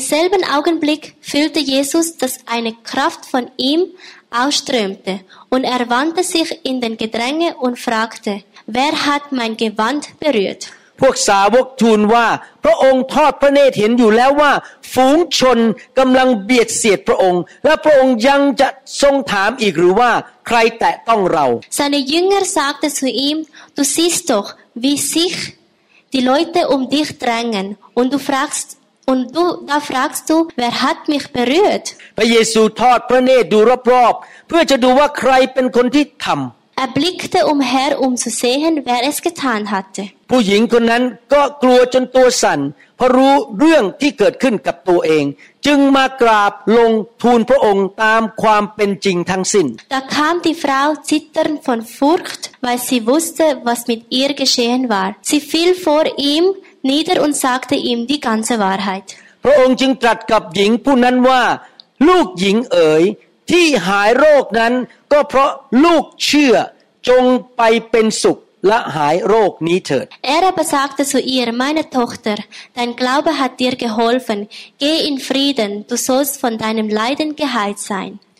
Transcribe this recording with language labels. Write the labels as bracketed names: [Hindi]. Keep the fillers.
[German] selben Augenblick fühlte Jesus, dass eine Kraft von ihm ausströmte und er wandte sich in den Gedränge und fragte, wer hat mein Gewand berührt? [Thai] พวกสาวกทูลว่าพระองค์ทอดพระเนตรเห็นอยู่แล้วว่าฝูงชนกำลังเบียดเสียดพระองค์และพระองค์ยังจะทรงถามอีกหรือว่าใครแตะต้องเรา [German] Seine Jünger sagte zu ihm, du siehst doch, wie sich die Leute um dich drängen und du fragst und du da fragst du wer hat mich berührt [Thai] พระเยซูทอดพระเนตรดูรอบๆเพื่อจะดูว่าใครเป็นคนที่ทํา [German] Er blickte umher um zu sehen wer es getan hatte [Thai] ผู้หญิงคนนั้นก็กลัวจนตัวสั่นเพราะรู้เรื่องที่เกิดขึ้นกับตัวเองจึงมากราบลงทูลพระองค์ตามความเป็นจริงทั้งสิน้น [German] Da kam die Frau zitternd von Furcht, weil sie wusste, was mit ihr geschehen war. Sie fiel vor ihm nieder und sagte ihm die ganze Wahrheit. [Thai] พระองค์จึงตรัสกับหญิงผู้นั้นว่าลูกหญิงเอ๋ยที่หายโรคนั้น ก็เพราะลูกเชื่อจงไปเป็นสุข [German] Er aber sagte zu ihr meine Tochter dein Glaube hat dir geholfen geh in Frieden du sollst von deinem Leiden geheilt sein